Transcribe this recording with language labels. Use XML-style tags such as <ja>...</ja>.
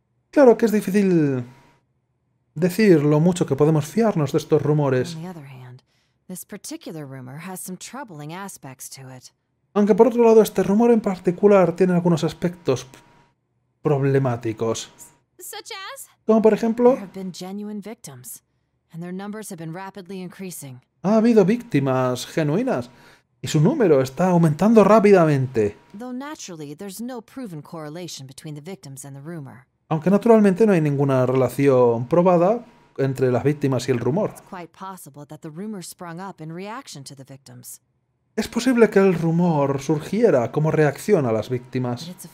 <es>Claro que es difícil decir lo mucho que podemos fiarnos de estos rumores.</es> <en>On the other hand, this particular rumor has some troubling aspects to it.</en> <es>Aunque por otro lado, este rumor en particular tiene algunos aspectos problemáticos.</es> <en>Such as?</en> <es>Como por ejemplo,</es> <en>there have been genuine victims, and their numbers have been rapidly increasing.</en> <es>Ha habido víctimas genuinas, y su número está aumentando rápidamente.</es> <en>Though naturally, there's no proven correlation between the victims and the rumor.</en> <es>Aunque naturalmente no hay ninguna relación probada entre las víctimas y el rumor. It's quite possible that the rumor sprung up in reaction to the victims. Es posible que el rumor surgiera como reacción a las víctimas.</es>